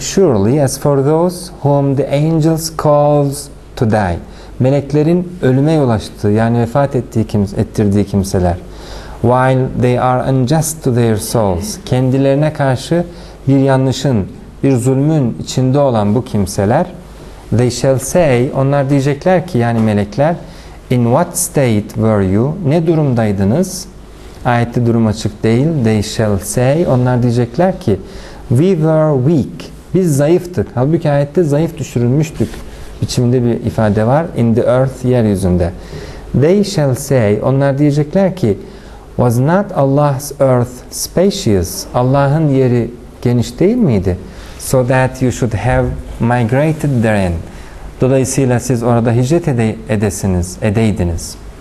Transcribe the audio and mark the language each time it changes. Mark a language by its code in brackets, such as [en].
[en] Surely as for those whom the angels calls to die. [tr] Meleklerin ölüme yol açtığı, yani vefat ettiği ettirdiği kimseler. [en] While they are unjust to their souls. [tr] Kendilerine karşı bir yanlışın, bir zulmün içinde olan bu kimseler. [en] They shall say, [tr] onlar diyecekler ki, yani melekler, [en] in what state were you? [tr] Ne durumdaydınız? Ayette durum açık değil. [en] They shall say, [tr] onlar diyecekler ki, [en] we were weak. [tr] Biz zayıftık. Halbuki ayette zayıf düşürülmüştük biçiminde bir ifade var. [en] In the earth, yeryüzünde. They shall say, [tr] onlar diyecekler ki, [en] was not Allah's earth spacious? [tr] Allah'ın yeri geniş değil miydi? [en] So that you should have migrated therein. [tr] Dolayısıyla siz orada hicret edeydiniz.